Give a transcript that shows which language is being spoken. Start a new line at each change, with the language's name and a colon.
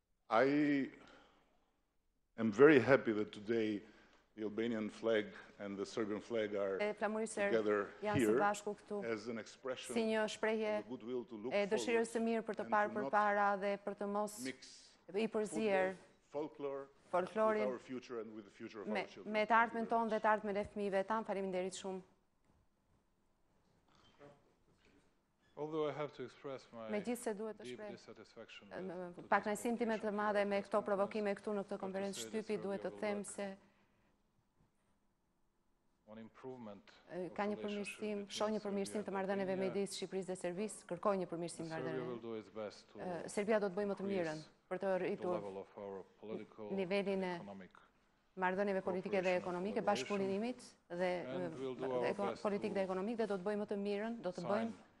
English: I am very happy that today the Albanian flag and the Serbian flag are together here as an expression
Albanian: si një shprehje
English: of goodwill to look
Albanian: dëshirës së mirë për të parë përpara dhe për të mos i përzier
English: folklorin our future and with the future of our children.
Albanian: Me të ardhmen tonë dhe të ardhmen e fëmijëve tan. Faleminderit shumë.
English: Although I have to express my deep dissatisfaction with
Albanian: patrajsim time të madhe me këto provokime këtu në këtë konferencë shtypi, duhet të them se
English: on improvement
Albanian: ka një përmirësim, shoh një përmirësim të marrëdhënieve midis Shqipërisë dhe Serbisë, kërkoj një përmirësim marrëdhënieve. Serbia do të bëjë më të mirën për të rritur nivelin e marrëdhënieve politike dhe ekonomike, bashkëpunimit dhe politikë dhe ekonomik dhe do të bëjë më të mirën, do të bëjmë